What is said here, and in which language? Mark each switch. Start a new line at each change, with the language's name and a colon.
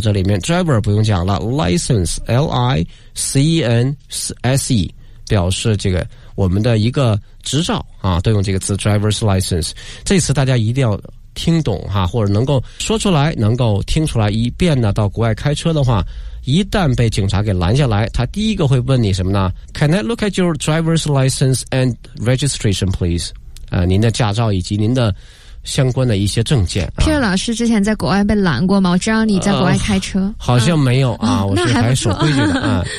Chinese: 这里面 driver 不用讲了， license L-I-C-E-N-S-E 表示这个我们的一个执照啊，都用这个词 driver's license。这次大家一定要听懂哈，或者能够说出来能够听出来，以便呢到国外开车的话，一旦被警察给拦下来，他第一个会问你什么呢？
English: Can I look at your driver's license and registration please？
Chinese: 您的驾照以及您的相关的一些证件。 Peter老师之前在国外被拦过吗？我知道你在国外开车。好像没有啊，我是还守规矩的啊。